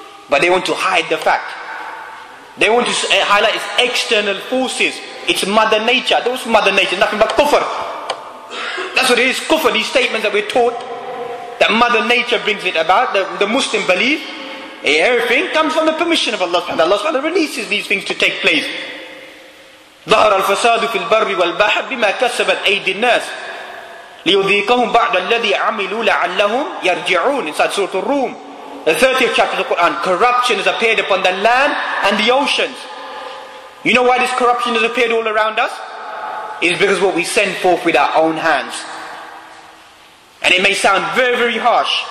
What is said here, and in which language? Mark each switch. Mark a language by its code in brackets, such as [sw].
[en] But they want to hide the fact. They want to highlight its external forces. It's Mother Nature. There was Mother Nature, nothing but kufr. That's what it is, kufr, these statements that we're taught. That Mother Nature brings it about, the Muslim belief. Everything comes from the permission of Allah subhanahu wa ta'ala. Allah releases these things to take place. [ar] ظهر الفساد في البر والبحر بما كسبت أيدي الناس ليذيقهم بعض الذي عملوا لعلهم يرجعون. [en] Inside Surah Al-Rum, the 30th chapter of the Quran, corruption has appeared upon the land and the oceans. You know why this corruption has appeared all around us? is because of what we send forth with our own hands. And it may sound very, very harsh.